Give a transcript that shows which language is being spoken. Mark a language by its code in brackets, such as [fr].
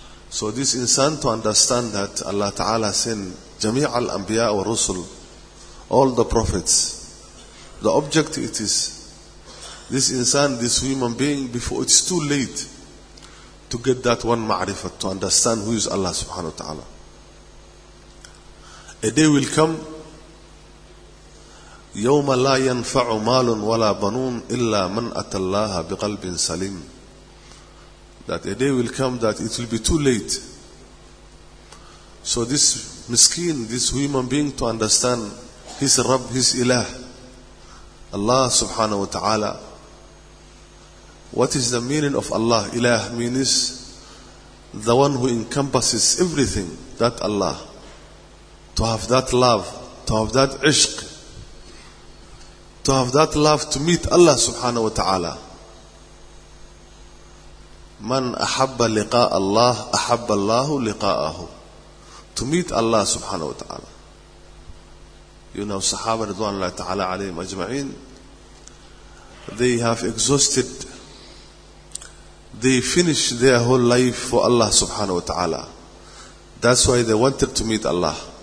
[en] So this insan to understand that Allah Ta'ala sent Jami' al-Anbiya wa Rusul, all the prophets. The object it is, this insan, this human being, before it's too late to get that one ma'rifat, to understand who is Allah subhanahu wa ta'ala. A day will come, [ar] يَوْمَ لَا يَنْفَعُ مَالٌ وَلَا بَنُونَ إِلَّا مَنْ أَتَى اللَّهَ بِقَلْبٍ سَلِيمٍ. [en] That a day will come that it will be too late. So this miskin, this human being, to understand his Rabb, his Ilah, Allah subhanahu wa ta'ala. What is the meaning of Allah? Ilah means the one who encompasses everything, that Allah. To have that love, to have that ishq, to have that love to meet Allah subhanahu wa ta'ala. [ar] من أحب لقاء الله أحب الله لقاءه. [en] To meet Allah subhanahu wa ta'ala. You know, Sahaba [ar] رضوان الله تعالى عليهم أجمعين, [en] they have exhausted, they finished their whole life for Allah subhanahu wa ta'ala. That's why they wanted to meet Allah.